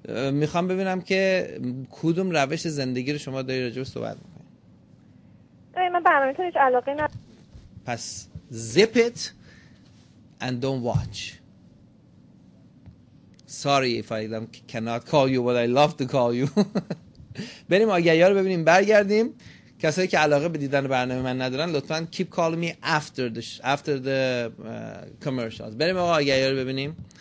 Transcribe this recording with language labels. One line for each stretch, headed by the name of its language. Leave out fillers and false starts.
Persian: میخوام ببینم که کدوم روش زندگی رو شما داری راجع به صحبت میکنی. من برنامه‌تون هیچ علاقه ندارم. پس
English: zip it and don't watch. Sorry if I cannot call you but I love to call you.
Persian: بریم آگهیا رو ببینیم برگردیم. کسایی که علاقه به دیدن برنامه من ندارن لطفاً
English: keep calling me after the commercials.
Persian: بریم آگهیا رو ببینیم.